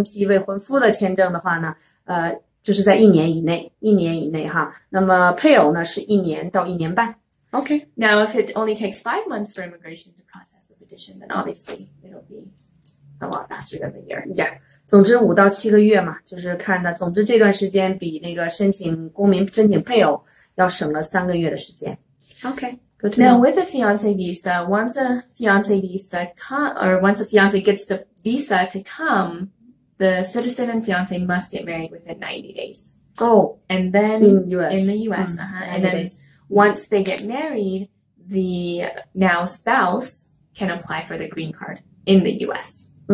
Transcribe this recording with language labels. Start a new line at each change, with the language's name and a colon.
Chinese: 那么最多呢,他说这个申请未婚妻未婚夫的签证的话呢, 就是在一年以内哈。那么配偶呢,是一年到一年半。
English: Okay. Now, if it only takes 5 months for immigration to process the petition, then obviously it'll be a lot faster than a year. Yeah.
Chinese: 总之五到七个月嘛,就是看的,总之这段时间比那个申请公民申请配偶要省了三个月的时间。
English: Okay. Now, with a fiance visa, once a fiance gets the visa to come, the citizen and fiance must get married within 90 days. Oh, and then in the U.S. In the U.S. Uh-huh. And then once they get married, the now spouse can apply for the green card in the U.S.